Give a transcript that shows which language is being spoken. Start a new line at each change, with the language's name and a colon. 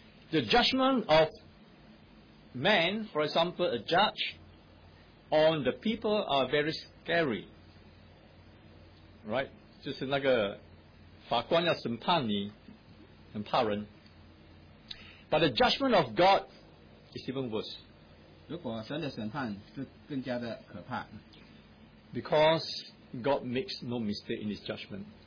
English: The judgment of man, for example, a judge on the people are very scary, right?
Chinese: 就是那个法官要审判你，很怕人。
English: But the judgment of God is even worse.
Chinese: 如果神的审判是更加的可怕。
English: Because God makes no mistake in His judgment.